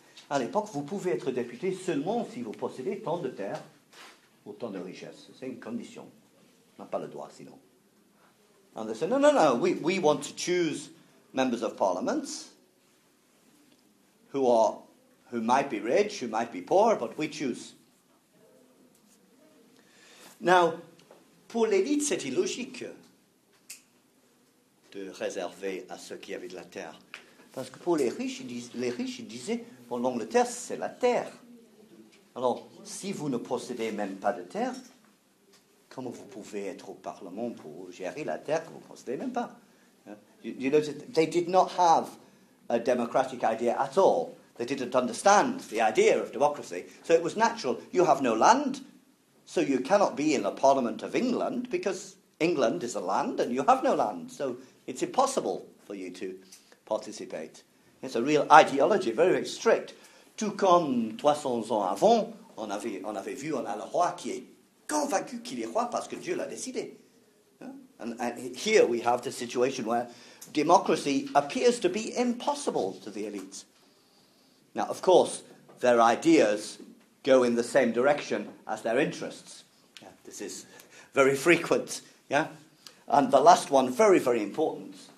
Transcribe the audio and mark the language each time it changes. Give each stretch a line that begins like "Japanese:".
French: À l'époque, vous pouvez être député seulement si vous possédez tant de terres ou tant de richesses. C'est une condition. On n'a pas le droit sinon.
English: And they said, no, we want to choose members of parliament who might be rich, who might be poor, but we choose.
French: Now, pour l'élite, c'était logique de réserver à ceux qui avaient de la terre. Parce que pour les riches, ils disaient, bon, l'Angleterre, c'est la terre. Alors, si vous ne possédez même pas de terre, comment vous pouvez être au Parlement pour gérer la terre que vous ne possédez même pas?
English: You know, they did not have a democratic idea at all. They didn't understand the idea of democracy. So it was natural. You have no land, so you cannot be in the Parliament of England because England is a land and you have no land. So it's impossible for you to participate. It's a real ideology, very, very strict.
French: Tout comme 300 ans avant, on avait vu, on a le roi qui est convaincu qu'il est roi parce que Dieu l'a décidé.
English: And here we have the situation where democracy appears to be impossible to the elites. Now, of course, their ideas go in the same direction as their interests. Yeah, this is very frequent. Yeah, and the last one, very, very important.